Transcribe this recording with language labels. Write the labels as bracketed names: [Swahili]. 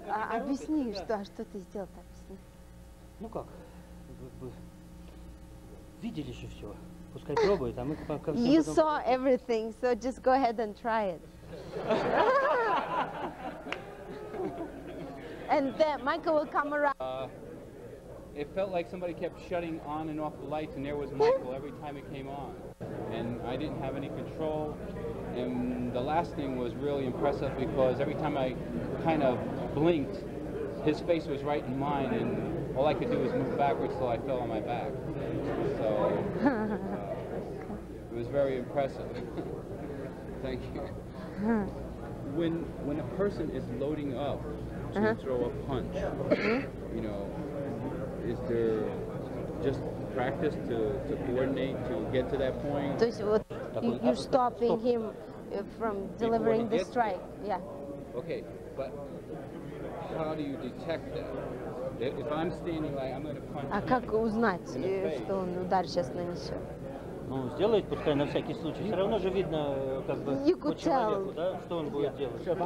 [Russian] Объясни, что ты сделал, объясни. Ну как? Вы видели же все. Пускай пробует, а мы как-то всё. [English] You saw everything, so just go ahead and try it. And then Michael will come around. It felt like somebody kept shutting on and off the lights, and there was Michael every time it came on. And I didn't have any control. And the last thing was really impressive because every time I kind of blinked, his face was right in mine, and all I could do was move backwards till I fell on my back. So it was very impressive. Thank you. When a person is loading up, to throw a punch, you know, is there just practice to coordinate to get to that point? [Russian] То есть вот, [English] you're stopping him from delivering the strike, yeah. Okay, but how do you detect that? If I'm standing like, I'm going to punch [Russian] him. А как узнать, что он удар сейчас нанесет? Ну, сделает, пускай на всякий случай. Все равно же видно, как бы, по человеку, да, что он будет делать.